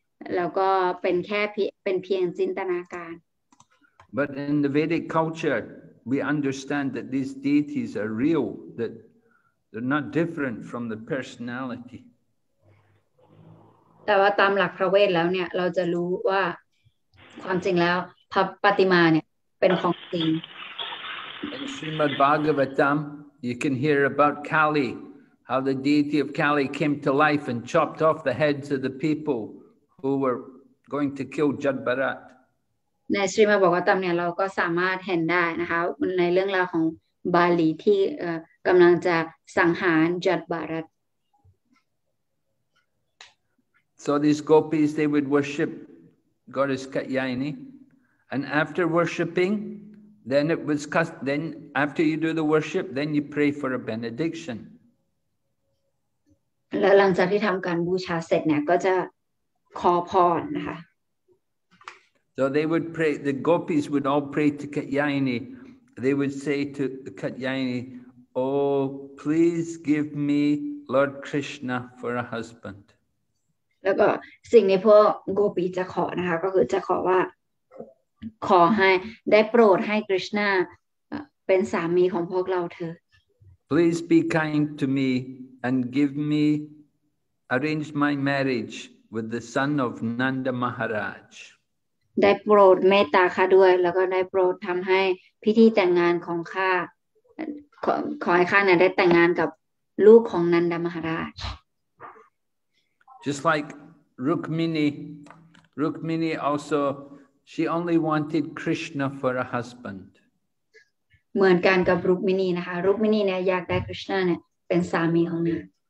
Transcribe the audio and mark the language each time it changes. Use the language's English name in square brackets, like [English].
[Thai] สำหรับพวกมายาวดีนะคะจะคิดว่าพระปฏิมานี้เนี่ยไม่จริงแล้วก็เป็นเพียงจินตนาการ [English] But in the Vedic culture, we understand that these deities are real, that they're not different from the personality. [Thai] แต่ว่าตามหลักพระเวทแล้วเนี่ยเราจะรู้ว่าความจริงแล้วพระปฏิมาเนี่ยเป็นของจริง [English] In Srimad Bhagavatam, you can hear about Kali, how the deity of Kali came to life and chopped off the heads of the people who were going to kill Judd Bharat. [Thai] ในSrimad Bhagavatamเนี่ยเราก็สามารถเห็นได้นะคะในเรื่องราวของ บาลีที่กำลังจะสังหารจัตวารัต [English] So these gopis, they would worship goddess Katyayini. And after worshipping, then it was cast, then after you do the worship, then you pray for a benediction. [Thai] แล้วหลังจากที่ทำการบูชาเสร็จเนี่ยก็จะขอพรนะคะ [English] So they would pray, the gopis would all pray to Katyayini. They would say to Katyayini, Oh, please give me Lord Krishna for a husband. [Thai] แล้วก็สิ่งในพวกโกปีจะขอนะคะก็คือจะขอว่าขอให้ได้โปรดให้คริชนาเป็นสามีของพวกเราเถอะ [English] Please be kind to me and give me arrange my marriage with the son of Nanda Maharaj [Thai] ได้โปรดเมตตาข้าด้วยแล้วก็ได้โปรดทำให้พิธีแต่งงานของข้าขอให้ข้าเนี่ยได้แต่งงานกับลูกของนันดามหาราช [English] Just like Rukmini also, she only wanted Krishna for a husband. [Thai] เหมือนกันกับรุกมินีนะคะรุกมินีเนี่ยอยากได้คริชนาเนี่ยเป็นสามีของนาง